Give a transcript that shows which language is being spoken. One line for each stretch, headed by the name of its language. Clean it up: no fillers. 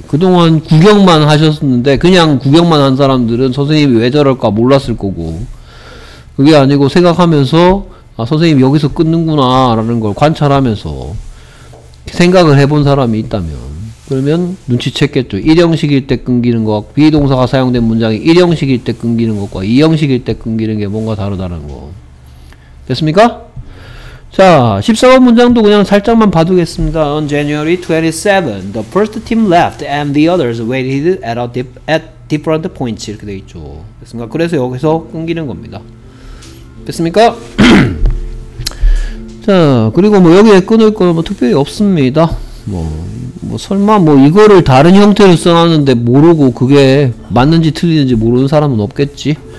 Korean: 그동안 구경만 하셨는데 그냥 구경만 한 사람들은 선생님이 왜 저럴까 몰랐을 거고 그게 아니고 생각하면서 아 선생님 여기서 끊는구나 라는 걸 관찰하면서 생각을 해본 사람이 있다면 그러면 눈치챘겠죠. 1형식일 때 끊기는 것과 비동사가 사용된 문장이 1형식일 때 끊기는 것과 2형식일 때 끊기는 게 뭔가 다르다는 거. 됐습니까? 자, 14번 문장도 그냥 살짝만 봐두겠습니다.
English: On January 27, the first team left and the others waited at different points.
Korean: 이렇게 돼있죠. 됐습니까? 그래서 여기서 끊기는 겁니다. 됐습니까? 자, 그리고 뭐 여기에 끊을 거는 뭐 특별히 없습니다. 설마 이거를 다른 형태로 써놨는데 모르고 그게 맞는지 틀리는지 모르는 사람은 없겠지.